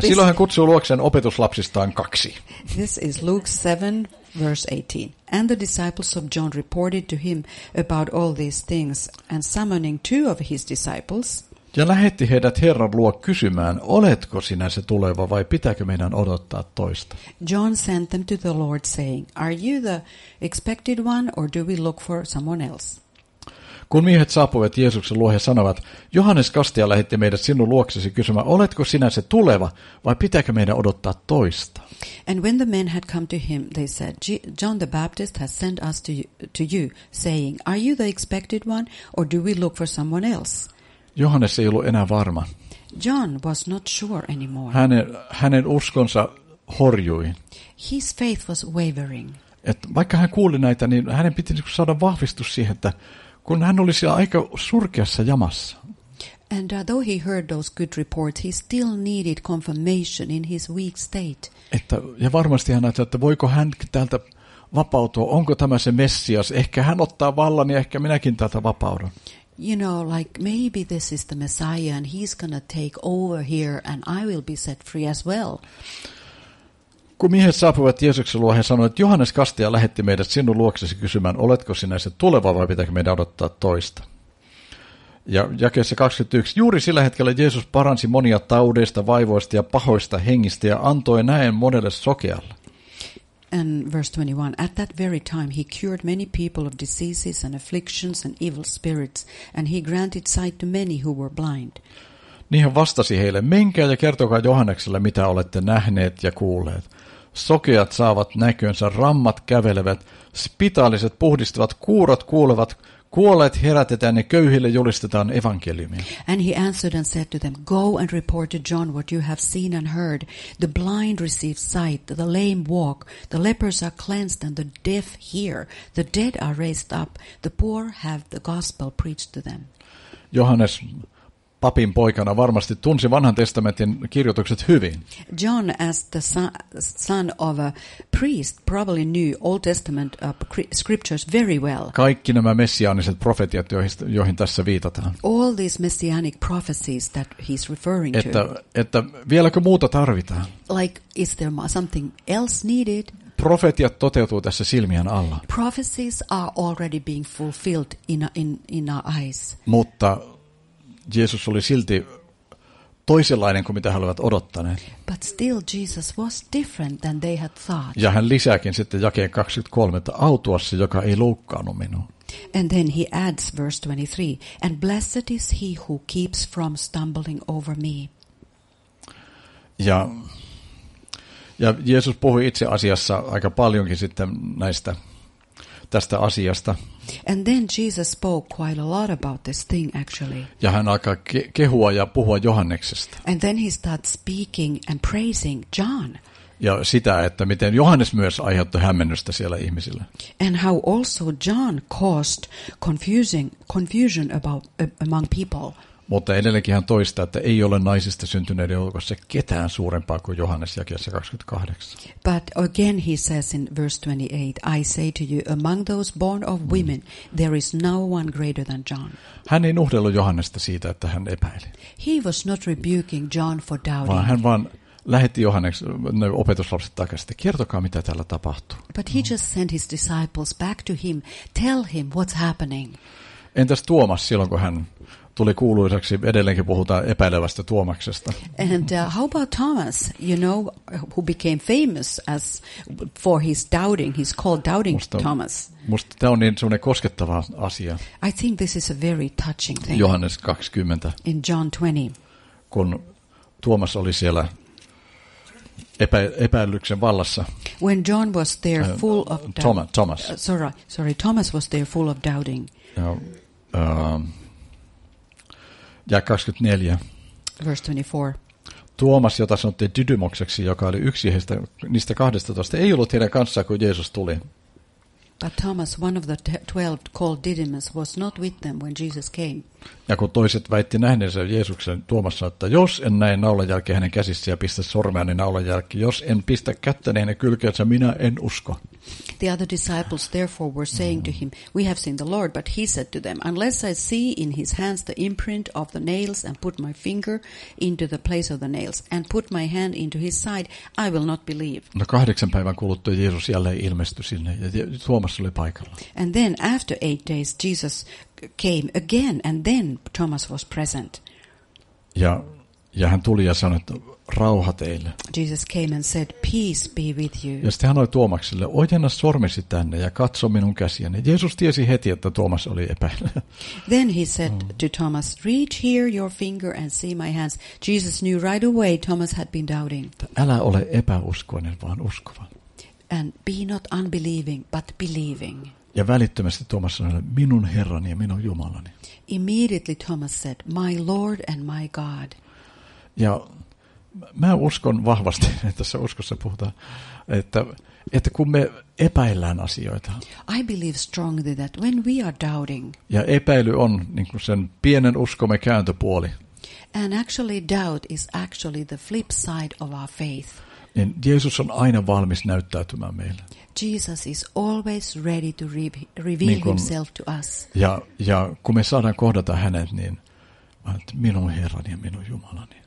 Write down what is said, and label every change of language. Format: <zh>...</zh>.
<fi>Silloin hän kutsui luokseen opetuslapsistaan kaksi.</fi> <en>This is Luke 7, verse 18. And the disciples of John reported to him about all these things, and summoning two of his disciples.</en> <fi>Ja lähetti heidät Herran luo kysymään, oletko sinä se tuleva vai pitääkö meidän odottaa toista?</fi> <en>John sent them to the Lord saying, are you the expected one or do we look for someone else?</en> <fi>Kun miehet saapuivat Jeesuksen luo, he sanovat, Johannes Kastaja lähetti meidät sinun luoksesi kysymään, oletko sinä se tuleva vai pitääkö meidän odottaa toista?</fi> <en>And when the men had come to him, they said, John the Baptist has sent us to you, saying, are you the expected one or do we look for someone else?</en> <fi>Johannes ei ollut enää varma.</fi> <en>John was not sure anymore.</en> <fi>Hänen uskonsa horjui.</fi> <en>His faith was wavering.</en> <fi>Et vaikka hän kuuli näitä, niin hänen piti saada vahvistus siihen, että kun hän oli siellä aika surkeassa jamassa.</fi> <en>And though he heard those good reports, he still needed confirmation in his weak state.</en> <fi>Että, ja varmasti hän ajattelee, että voiko hän täältä vapautua, onko tämä se Messias, ehkä hän ottaa vallan ja ehkä minäkin täältä vapaudun.</fi> <en>You know, like maybe this is the Messiah and he's gonna take over here and I will be set free as well.</en> <fi>Kun miehet saapuivat Jeesuksen luo, he sanoivat, että Johannes Kastaja lähetti meidät sinun luoksesi kysymään, oletko sinä se tuleva vai pitääkö meidän odottaa toista. Ja jakeessa 21. Juuri sillä hetkellä Jeesus paransi monia taudeista, vaivoista ja pahoista hengistä ja antoi näen monelle sokealle.</fi> <en>And verse 21. At that very time he cured many people of diseases and afflictions and evil spirits and he granted sight to many who were blind.</en> <fi>Niin hän vastasi heille, menkää ja kertokaa Johannekselle, mitä olette nähneet ja kuulleet. Sokeat saavat näkönsä, rammat kävelevät, spitaaliset puhdistavat, kuurot kuulevat, kuolleet herätetään ja köyhille julistetaan evankeliumia.</fi> <en>And he answered and said to them, go and report to John what you have seen and heard. The blind receive sight, the lame walk, the lepers are cleansed and the deaf hear, the dead are raised up, the poor have the gospel preached to them.</en> <fi>Johannes papin poikana varmasti tunsi Vanhan testamentin kirjoitukset hyvin.</fi> <en>John, as the son of a priest, probably knew Old Testament scriptures very well.</en> <fi>Kaikki nämä messiaaniset profetiat, joihin tässä viitataan.</fi> <en>All these messianic prophecies that he's referring to.</en> <fi>Että vieläkö muuta tarvitaan?</fi> <en>Like, is there something else needed?</en> <fi>Profetiat toteutuu tässä silmien alla.</fi> <en>Prophecies are already being fulfilled in our eyes.</en> <fi>Mutta Jeesus oli silti toisenlainen kuin mitä he olivat odottaneet.</fi> <en>But still Jesus was different than they had thought.</en> <fi>Ja hän lisääkin sitten jakeen 23, että autua se, joka ei loukkaannut minua.</fi> <en>And then he adds verse 23, and blessed is he who keeps from stumbling over me.</en> <fi>Ja Jeesus puhui itse asiassa aika paljonkin sitten näistä tästä asiasta.</fi> <en>And then Jesus spoke quite a lot about this thing actually.</en> <fi>Ja hän alkaa kehua ja puhua Johanneksesta.</fi> <en>And then he starts speaking and praising John.</en> <fi>Ja sitä, että miten Johannes myös aiheutti hämmennystä siellä ihmisillä.</fi> <en>And how also John caused confusion about among people.</en> <fi>Mutta edelleenkin hän toistaa, että ei ole naisista syntyneiden joukossa ketään suurempaa kuin Johannes jakeessa 28.</fi> <en>But again he says in verse 28, I say to you, among those born of women, there is no one greater than John.</en> <fi>Hän ei nuhdellut Johannesta siitä, että hän epäili.</fi> <en>He was not rebuking John for doubting.</en> <fi>Vaan hän vaan lähetti Johanneksen ne opetuslapset takaisin, että kertokaa mitä täällä tapahtuu.</fi> <en>But he just sent his disciples back to him, tell him what's happening.</en> <fi>Entäs Tuomas silloin, kun hän tuli kuuluisaksi, edelleenkin puhutaan epäilevästä Tuomaksesta.</fi> <en>And how about Thomas, you know, who became famous as for his doubting, he's called doubting Thomas.</en> <fi>Musta tämä on niin semmoinen koskettava asia.</fi> <en>I think this is a very touching thing.</en> <fi>Johannes 20.</fi> <en>In John 20.</en> <fi>Kun Tuomas oli siellä epäilyksen vallassa.</fi> <en>When John was there full of doubt. Thomas. Sorry, Thomas was there full of doubting.</en> <fi>Ja 24.</fi> <en>Verse 24.</en> <fi>Tuomas, jota sanottiin Didymokseksi, joka oli yksi heistä, niistä 12, ei ollut heidän kanssaan, kun Jeesus tuli.</fi> <en>But Thomas, one of the 12 called Didymus, was not with them when Jesus came.</en> <fi>Ja kun toiset väitti nähneensä Jeesuksen, Tuomas sanoi, että jos en näe naulajälkeä hänen käsissä ja pistä sormeani naulajälki, jos en pistä kättäni hänen kylkeensä, minä en usko.</fi> <en>The other disciples therefore were saying to him, we have seen the Lord, but he said to them, unless I see in his hands the imprint of the nails and put my finger into the place of the nails and put my hand into his side, I will not believe.</en> <fi>No 8 päivän kuluttua Jeesus jälleen ilmestyi sinne ja Tuomas oli paikalla.</fi> <en>And then after 8 days Jesus came again and then Thomas was present.</en> <fi>Ja hän tuli ja sanoi, että rauha teille.</fi> <en>Jesus came and said, peace be with you.</en> <fi>Ja sitten hän oli Tuomakselle, ojenna sormesi tänne ja katso minun käsiäni. Jeesus tiesi heti, että Tuomas oli epäillä.</fi> <en>Then he said to Thomas, reach here your finger and see my hands. Jesus knew right away Thomas had been doubting.</en> <fi>Älä ole epäuskoinen, vaan uskova.</fi> <en>And be not unbelieving, but believing.</en> <fi>Ja välittömästi Tuomas sanoi, minun Herrani ja minun Jumalani.</fi> <en>Immediately Thomas said, my Lord and my God.</en> <fi>Ja mä uskon vahvasti, että tässä uskossa puhutaan, että kun me epäillään asioita.</fi> <en>I believe strongly that when we are doubting.</en> <fi>Ja epäily on niin kuin sen pienen uskomme kääntöpuoli.</fi> <en>And actually doubt is actually the flip side of our faith.</en> <fi>Niin Jeesus on aina valmis näyttäytymään meille.</fi> <en>Jesus is always ready to reveal</en> <fi>niin kuin,</fi> <en>himself to us.</en> <fi>Ja kun me saadaan kohdata hänet, niin minun Herrani ja minun Jumalani.</fi>